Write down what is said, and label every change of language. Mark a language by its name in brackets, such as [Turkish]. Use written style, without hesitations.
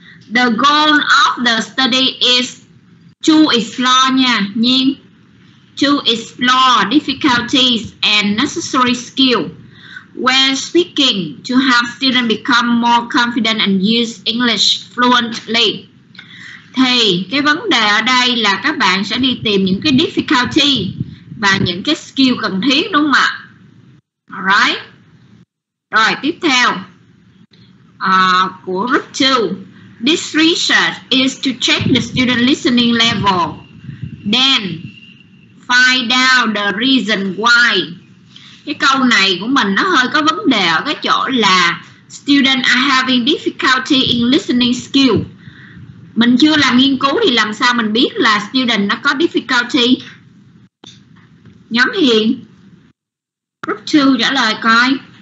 [English] The goal of the study is to explore nha. [Vietnamese] Nhưng [English] to explore difficulties and necessary skills when speaking to have students become more confident and use English fluently. [Vietnamese] Thì cái vấn đề ở đây là các bạn sẽ đi tìm những cái difficulty và những cái skill cần thiết, đúng không ạ? Alright. Rồi tiếp theo của group 2. [English] This research is to check the student listening level, then find out the reason why. [Vietnamese] Cái câu này của mình nó hơi có vấn đề ở cái chỗ là [English] student are having difficulty in listening skill. [Vietnamese] Mình chưa làm nghiên cứu thì làm sao mình biết là student nó có difficulty? Nhóm Hiền, group 2 trả lời coi.